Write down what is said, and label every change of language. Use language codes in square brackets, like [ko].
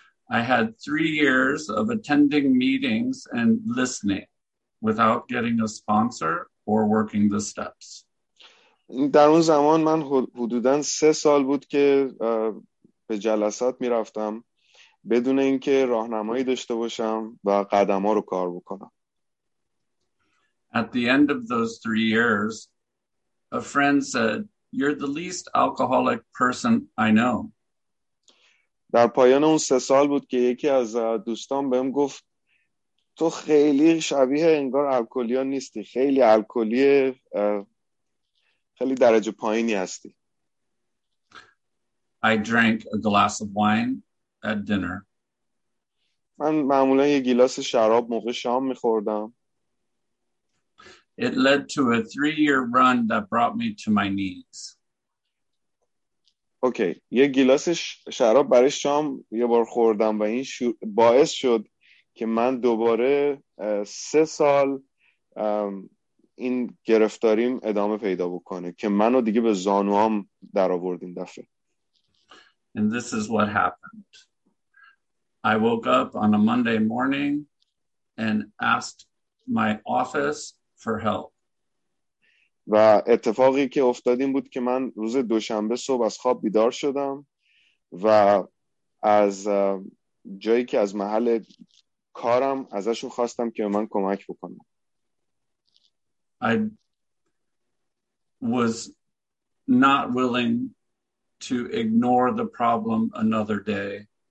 [en] I had 3 years of attending meetings and listening without getting a sponsor or working the steps. [fa] در اون زمان من حدوداً 3 سال بود که به جلسات می رفتم بدون اینکه راهنمایی داشته باشم و قدم ها رو کار بکنم. [en] At the end of those 3 years, a friend said, "You're the least alcoholic person I know." [fa] در پایان اون 3 سال بود که یکی از دوستان بهم گفت تو خیلی شبیه انگار الکلی ها نیستی، خیلی الکلی، خیلی درجه پایینی هستی. [en] I drank a glass of wine at dinner. [fa] من معمولا یه گیلاس شراب موقع شام می‌خوردم. [en] It led to a 3 year run that brought me to my knees. [fa] اوکی، یه گیلاس شراب برای شام یه بار خوردم و این باعث شد که من دوباره 3 سال این گرفتاریم ادامه پیدا بکنه که منو دیگه به زانوام در آورد این دفعه. [en] And this is what happened. I woke up on a Monday morning and asked my office for help. [fa] و اتفاقی که افتاد این بود که من روز دوشنبه صبح از خواب بیدار شدم و از جایی که از محل کارم ازشون خواستم که به من کمک بکنم. [en] I was not willing to ignore the problem another day.